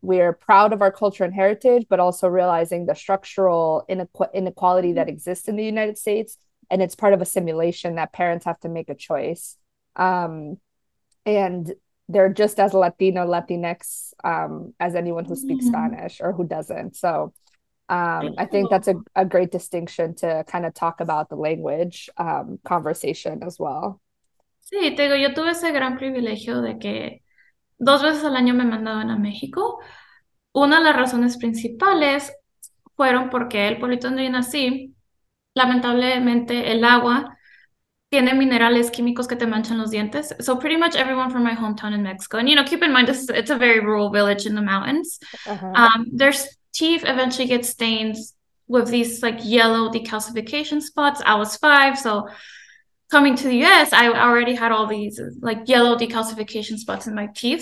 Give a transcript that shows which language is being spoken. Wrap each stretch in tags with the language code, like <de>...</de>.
<en>We are proud of our culture and heritage, but also realizing the structural inequality that exists in the United States, and it's part of assimilation that parents have to make a choice. And they're just as Latino, Latinx, as anyone who speaks Spanish or who doesn't. So, I think that's a great distinction to kind of talk about the language, conversation as well.</en> <es>Sí, te digo, yo tuve ese gran privilegio de que 2 veces al año me mandaban a México. Una de las razones principales fueron porque el pueblito donde yo nací, lamentablemente el agua tiene minerales químicos que te manchan los dientes.</es> <en>So pretty much everyone from my hometown in Mexico, and you know, keep in mind, this is, it's a very rural village in the mountains. Their teeth eventually get stained with these like yellow decalcification spots. I was 5, so coming to the US, I already had all these like yellow decalcification spots in my teeth.</en>